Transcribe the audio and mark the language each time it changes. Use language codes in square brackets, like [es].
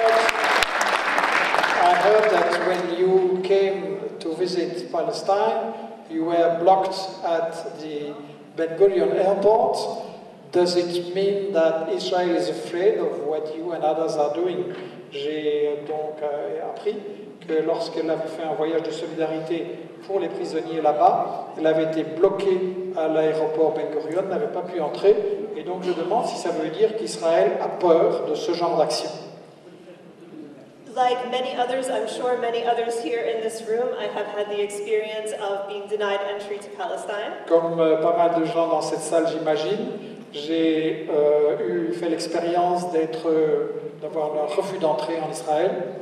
[en] I heard that when you came to visit Palestine, you were blocked at the Ben Gurion airport. Does it mean that Israel is afraid of what you and others are doing? [fr] J'ai donc appris que lorsqu'elle avait fait un voyage de solidarité pour les prisonniers là-bas, elle avait été bloquée à l'aéroport Ben Gurion, n'avait pas pu entrer, et donc je demande si ça veut dire qu'Israël a peur de ce genre d'action. [en] Like many others, I'm sure many others here in this room, I have had the experience of being denied entry to Palestine. [fr] Comme pas mal de gens dans cette salle, j'imagine. J'ai fait l'expérience d'avoir un refus d'entrée en Israël.